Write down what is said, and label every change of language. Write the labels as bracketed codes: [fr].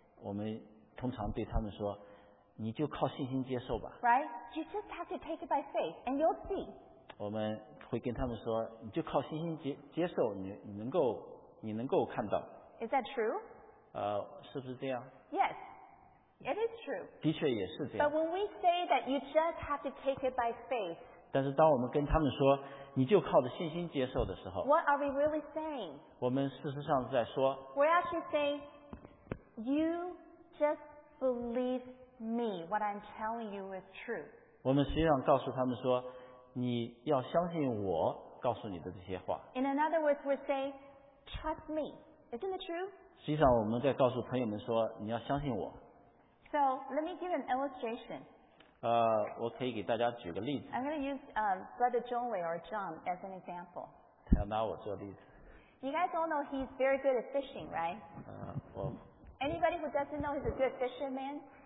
[zh] 我们通常对他们说，你就靠信心接受吧。 [en] Right? You just have to take it by faith and you'll see. [zh] 我们会跟他们说，你就靠信心 接受 你能够看到。 [en] Is that true? [zh] 是不是这样？ [en] Yes, it is true. [zh] 的确也是这样。 [en] But when we say that you just have to take it by faith, [zh] 但是当我们跟他们说你就靠着信心接受的时候， [en] What are we really saying? [zh] 我们事实上在说， [en] We're actually saying, you just believe me, what I'm telling you is true. [zh] 我们实际上告诉他们说，你要相信我告诉你的这些话。 [en] In another words, we're saying, trust me. Isn't it true? [zh] 实际上我们在告诉朋友们说，你要相信我。 [en] So, let me give an illustration. [zh] 我可以给大家举个例子。 [en] I'm going to use Brother Zhongwei or John as an example. [zh] 他要拿我做例子。 [en] You guys all know he's very good at fishing, right? Anybody who doesn't know he's a good fisherman,